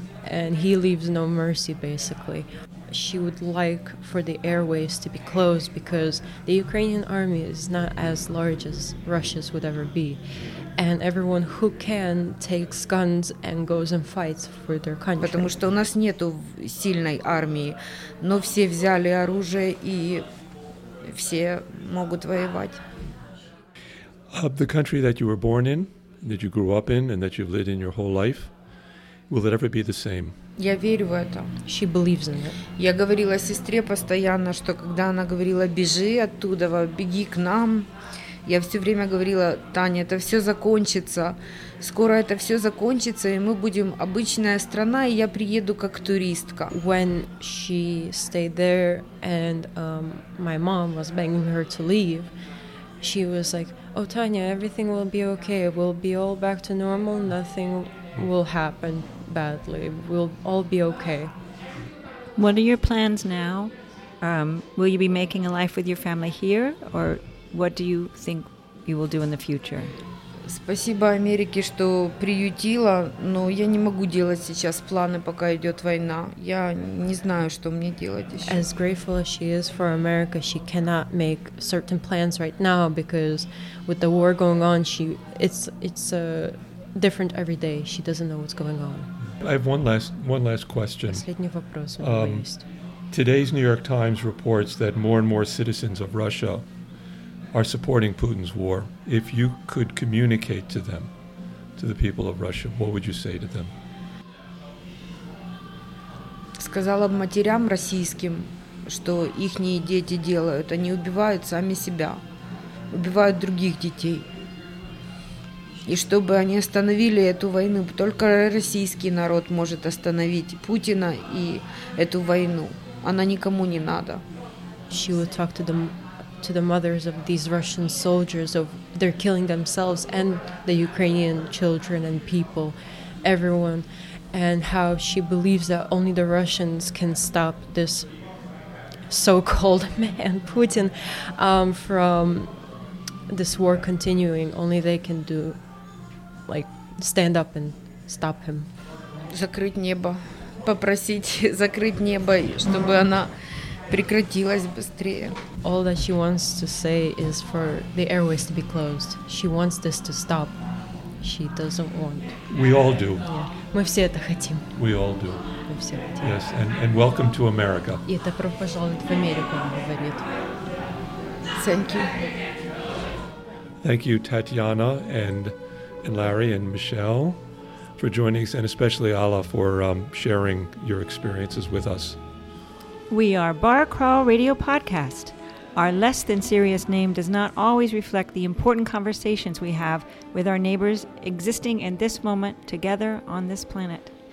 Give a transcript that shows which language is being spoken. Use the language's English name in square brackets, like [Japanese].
[English] And he leaves no mercy, basically. She would like for the airways to be closed because the Ukrainian army is not as large as Russia's would ever be. And everyone who can takes guns and goes and fights for their country. [Russian] Потому что у нас нету сильной армии, но все взяли оружие и все могут воевать. [English] The country that you were born in, that you grew up in, and that you've lived in your whole life, will it ever be the same? [Russian] Я верю в это. [English] She believes in it. [Russian] Я говорила сестре постоянно, что когда она говорила: «Бежи оттуда, беги к нам», я все время говорила: «Таня, это все закончится. Скоро это все закончится, и мы будем обычная страна, и я приеду как туристка». [English] When she stayed there and my mom was begging her to leave, she was like, «Oh, Таня, everything will be okay. We'll be all back to normal. Nothing will happen badly. We'll all be okay». What are your plans now? Will you be making a life with your family here, or what do you think you will do in the future? [Russian] Спасибо Америке, что приютила, но я не могу делать сейчас планы, пока идет война. Я не знаю, что мне делать еще. [English] As grateful as she is for America, she cannot make certain plans right now, because with the war going on, it's different every day. She doesn't know what's going on. I have one last question. [Russian] Последний вопрос. [English] Today's New York Times reports that more and more citizens of Russia are supporting Putin's war. If you could communicate to them, to the people of Russia, what would you say to them? [Russian] Сказала бы матерям российским, что ихние дети делают. Они убивают сами себя, убивают других детей. И чтобы они остановили эту войну, только российский народ может остановить Путина и эту войну. Она никому не надо. [English] She would talk to the mothers of these Russian soldiers, of they're killing themselves and the Ukrainian children and people, everyone, and how she believes that only the Russians can stop this so-called man, Putin, from this war continuing. Only they can do, like, stand up and stop him. [Russian] Закрыть небо. Попросить закрыть небо, чтобы она прекратилась быстрее. [English] All that she wants to say is for the airways to be closed. She wants this to stop. She doesn't want. We all do. Yeah. [Russian] Мы все это хотим. [English] We all do. [Russian] Мы все хотим. [English] Yes, and welcome to America. [Russian] И добро пожаловать в Америку, говорит. [English] Thank you. Thank you, Tatiana and Larry and Michelle, for joining us, and especially Alla for sharing your experiences with us. We are Bar Crawl Radio Podcast. Our less than serious name does not always reflect the important conversations we have with our neighbors existing in this moment together on this planet.